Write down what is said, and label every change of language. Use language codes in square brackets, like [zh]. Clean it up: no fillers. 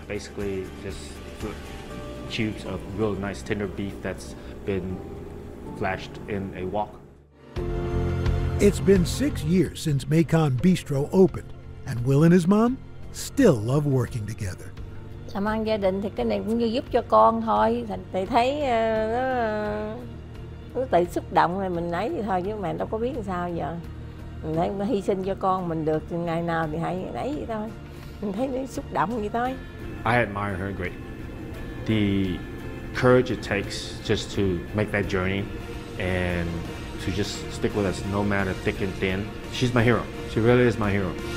[en] Basically, just cubes of real nice tender beef that's been flashed in a wok. It's been 6 years since Mekon Bistro opened, and Will and his mom still love working together. [vi] Làm ăn gia đình thì cái này cũng như giúp cho con thôi. Thì thấy nó tự xúc động rồi mình ấy thôi chứ mẹ đâu có biết sao giờ. Mình thấy nó hy sinh cho con mình được thì ngày nào thì hãy lấy vậy thôi. Mình thấy nó xúc động vậy thôi. [en] I admire her greatly. The courage it takes just to make that journey and to just stick with us no matter thick and thin. She's my hero. She really is my hero.